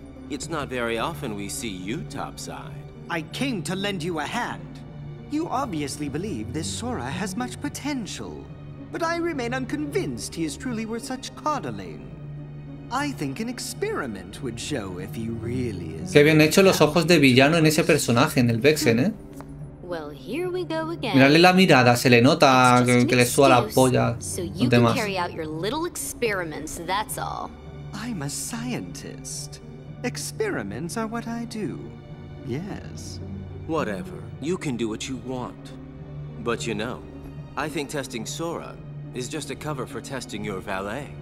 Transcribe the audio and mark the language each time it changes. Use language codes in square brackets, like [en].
[en] It's not very often we see you topside. I came to lend you a hand. You obviously believe this Sora has much potential, but I remain unconvinced he is truly worth such coddling. I think an experiment would show if he really is. [es] Qué bien hecho los ojos de villano en ese personaje, en el Vexen, ¿eh? [en] Well, here we go again. [es] Mirarle la mirada, se le nota que le suda la polla. [en] So you can carry out your little experiments, that's all. I'm a scientist. Experiments are what I do. Yes. Whatever. You can do what you want. But you know, I think testing Sora is just a cover for testing your valet.